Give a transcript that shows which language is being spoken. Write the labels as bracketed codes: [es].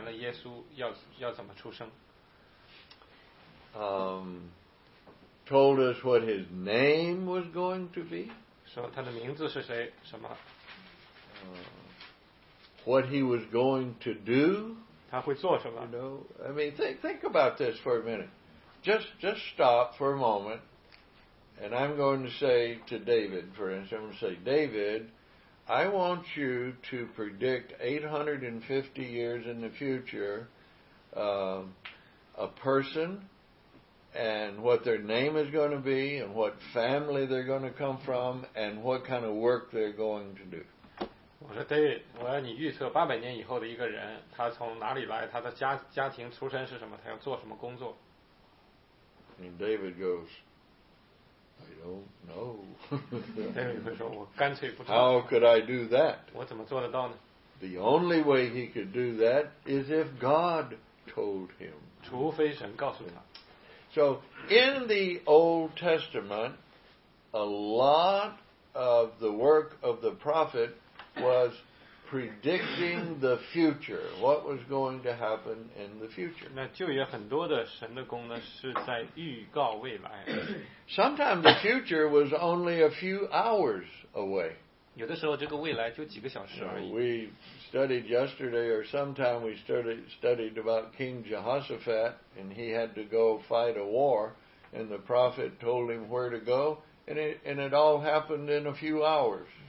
[zh] 800年或者850年公元前啊，那以赛亚就已经预言了耶稣要怎么出生。 [en] Told us what his name was going to be. [zh] 说他的名字是谁？什么？ [en] What he was going to do. [zh] 他会做什么？ [en] You know, I mean, think about this for a minute. Just stop for a moment. And I'm going to say to David, for instance, I'm going to say, David, I want you to predict 850 years in the future a person and what their name is going to be and what family they're going to come from and what kind of work they're going to do. [zh] 我说 David, 我要你预测800年以后的一个人，他从哪里来，他的家庭出身是什么，他要做什么工作。 [en] And David goes, I don't know. How could I do that? [zh] 我怎么做得到呢? [en] The only way he could do that is if God told him. [zh] 除非神告诉他。 [en] So in the Old Testament, a lot of the work of the prophet was predicting the future. What was going to happen in the future? [zh] 那旧约很多的神的功能是在预告未来。 [en] Sometimes the future was only a few hours away. [zh] 有的时候这个未来就几个小时而已。 [en] We studied yesterday or sometime we studied about King Jehoshaphat and he had to go fight a war and the prophet told him where to go and it all happened in a few hours.